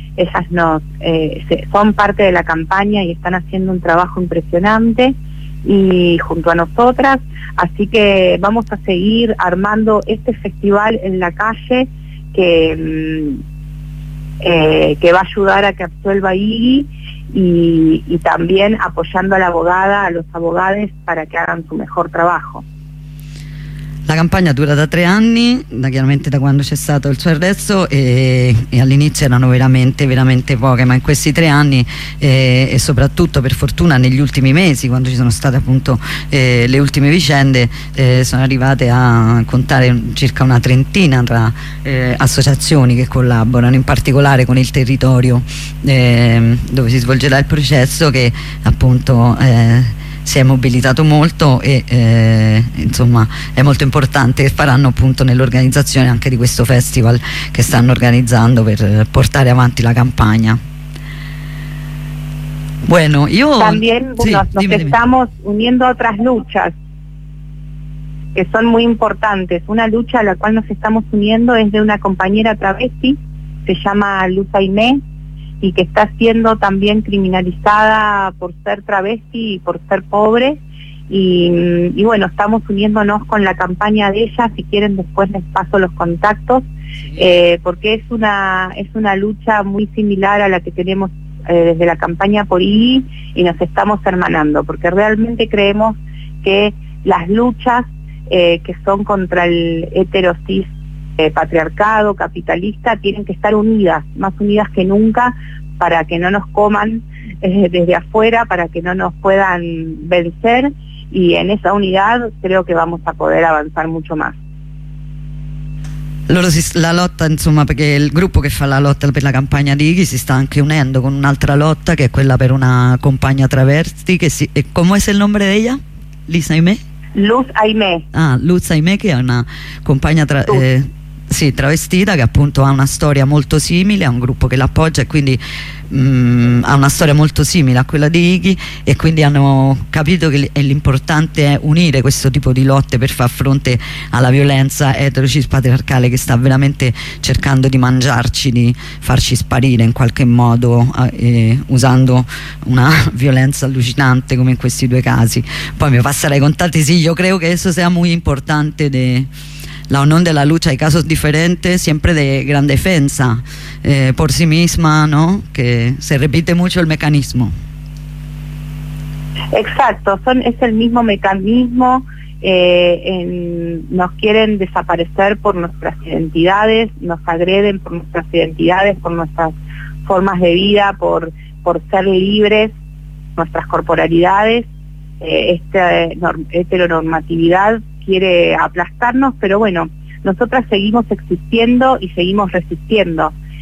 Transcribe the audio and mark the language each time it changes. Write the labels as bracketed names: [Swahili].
[Spanish] Ellas son parte de la campaña y están haciendo un trabajo impresionante y junto a nosotras, así que vamos a seguir armando este festival en la calle que va a ayudar a que absuelva Iggy, y también apoyando a la abogada, a los abogados, para que hagan su mejor trabajo. [Italian] La campagna dura da 3 anni, chiaramente da quando c'è stato il suo arresto, e all'inizio erano veramente, veramente poche, ma in questi 3 anni e soprattutto per fortuna negli ultimi mesi, quando ci sono state appunto le ultime vicende, sono arrivate a contare circa una trentina tra associazioni che collaborano, in particolare con il territorio dove si svolgerà il processo, che appunto si è mobilitato molto, e insomma è molto importante che faranno appunto nell'organizzazione anche di questo festival che stanno organizzando per portare avanti la campagna. [Spanish] Bueno, io también, sí, nos estamos uniendo a otras luchas que son muy importantes. Una lucha a la cual nos estamos uniendo es de una compañera travesti, se llama Luz Aimé, y que está siendo también criminalizada por ser travesti y por ser pobre, y bueno, estamos uniéndonos con la campaña de ella. Si quieren, después les paso los contactos. Sí. Porque es una lucha muy similar a la que tenemos desde la campaña por Iggy, y nos estamos hermanando, porque realmente creemos que las luchas que son contra el heterosis patriarcado, capitalista, tienen que estar unidas, más unidas que nunca, para que no nos coman desde afuera, para que no nos puedan vencer, y en esa unidad creo que vamos a poder avanzar mucho más. [Italian] Loro la lotta, insomma, perché il gruppo che fa la lotta per la campagna di Iggy si sta anche unendo con un'altra lotta, che è quella per una compagna travesti, che si, e come è il nome di ella? Lisa Aimé? Luz Aimé. Ah, Luz Aimé, che è una compagna sì, travestita, che appunto ha una storia molto simile, ha un gruppo che l'appoggia, e quindi ha una storia molto simile a quella di Iggy, e quindi hanno capito che l'importante è unire questo tipo di lotte per far fronte alla violenza eterocis patriarcale che sta veramente cercando di mangiarci, di farci sparire in qualche modo, usando una violenza allucinante come in questi due casi. Poi mi passerai i contatti. Sì, io credo che questo sia molto importante. [Spanish] La unión de la lucha, hay casos diferentes, siempre de gran defensa por sí misma, ¿no? Que se repite mucho el mecanismo. Exacto, es el mismo mecanismo. Nos quieren desaparecer por nuestras identidades, nos agreden por nuestras identidades, por nuestras formas de vida, por ser libres, nuestras corporalidades, esta heteronormatividad quiere aplastarnos, pero bueno, nosotras seguimos existiendo y seguimos resistiendo.